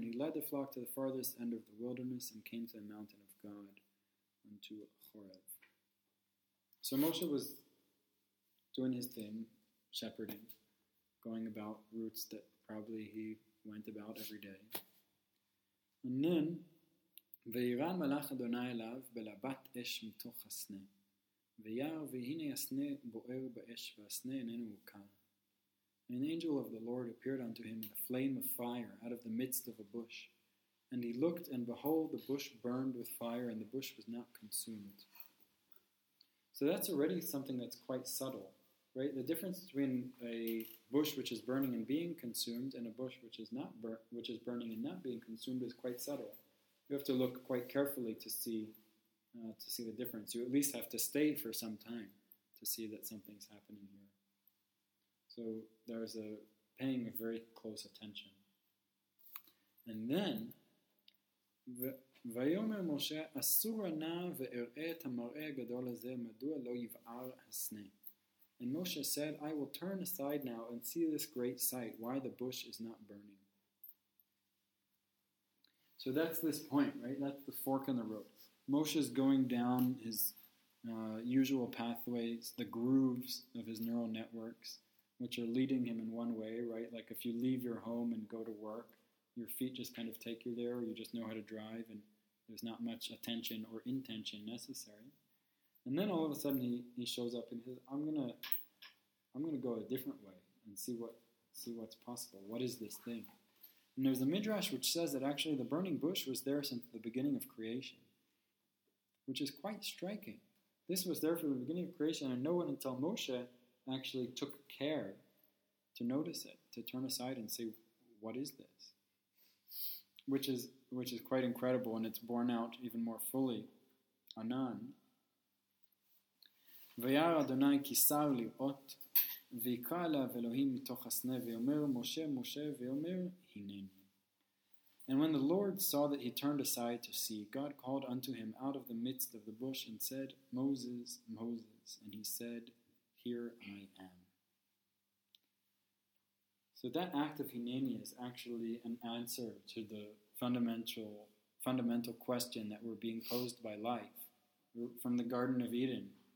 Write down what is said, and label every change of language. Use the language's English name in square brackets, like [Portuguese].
[English] He led the flock to the farthest end of the wilderness and came to the mountain of God, unto Horeb. So Moshe was doing his thing, shepherding, going about routes that probably he went about every day. And then, [Hebrew] ויראה מלאך אדוני אליו בלבת אש מתוך הסנה, ויער והנה הסנה בוער באש והסנה איננו הוקר. [English] An angel of the Lord appeared unto him in a flame of fire out of the midst of a bush. And he looked, and behold, the bush burned with fire, and the bush was not consumed. So that's already something that's quite subtle, right? The difference between a bush which is burning and being consumed and a bush which is not which is burning and not being consumed is quite subtle. You have to look quite carefully to see the difference. You at least have to stay for some time to see that something's happening here. So there's a paying of very close attention. And then, [Hebrew] ויאמר משה, אסור נא ואראה את המראה הגדול הזה, מדוע לא יבער הסנה? [English] And Moshe said, I will turn aside now and see this great sight, why the bush is not burning. So that's this point, right? That's the fork in the road. Moshe's going down his usual pathways, the grooves of his neural networks, which are leading him in one way, right? Like if you leave your home and go to work, your feet just kind of take you there, or you just know how to drive, and there's not much attention or intention necessary. And then all of a sudden he shows up and he says, I'm gonna go a different way and see what's possible. What is this thing? And there's a midrash which says that actually the burning bush was there since the beginning of creation, which is quite striking. This was there from the beginning of creation, and no one until Moshe actually took care to notice it, to turn aside and say, what is this? Which is quite incredible, and it's borne out even more fully. Anan. [Hebrew] וירא אדוני כי שר לראות ויקרא אליו אלוהים מתוך הסנה ויאמר משה משה ויאמר הנני. [English] And when the Lord saw that he turned aside to see, God called unto him out of the midst of the bush and said, Moses, Moses. And he said, Here I am. So that act of hinani is actually an answer to the fundamental question that we're being posed by life from the Garden of Eden.